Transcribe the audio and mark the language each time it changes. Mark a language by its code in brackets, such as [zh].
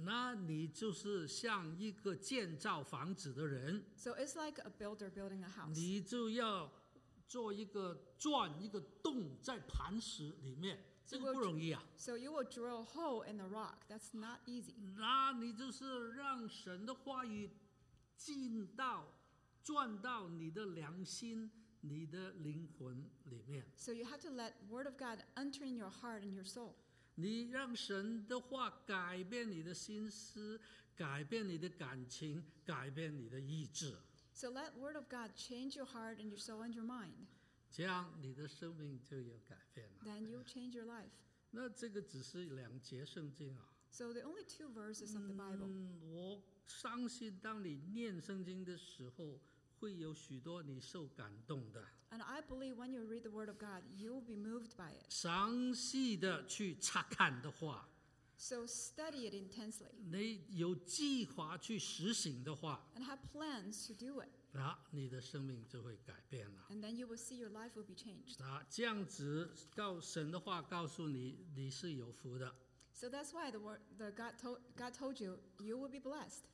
[zh] 那你就是像一个建造房子的人。 [en] So it's like a builder building a house. [zh] 你就要做一个钻一个洞在磐石里面，这个不容易啊。 [en] So you will drill a hole in the rock. That's not easy. [zh] 那你就是让神的话语进到钻到你的良心你的灵魂里面。 [en] So you have to let word of God enter in your heart and your soul. [zh] 你让神的话改变你的心思，改变你的感情，改变你的意志。 [en] So let word of God change your heart and your soul and your mind. [zh] 这样你的生命就有改变了。 [en] Then you'll change your life. [zh] 那这个只是两节圣经啊。 [en] So the only two verses of the Bible. [zh] 我相信当你念圣经的时候会有许多你受感动的。 [en] And I believe when you read the word of God, you will be moved by it. [zh] 详细的去查看的话， [en] So study it intensely. [zh] 你有计划去实行的话， [en] And have plans to do it. [zh] 那你的生命就会改变了。 [en] And then you will see your life will be changed. [zh] 那这样子告神的话告诉你，你是有福的。 [en] So that's why the word, God told you, you will be blessed.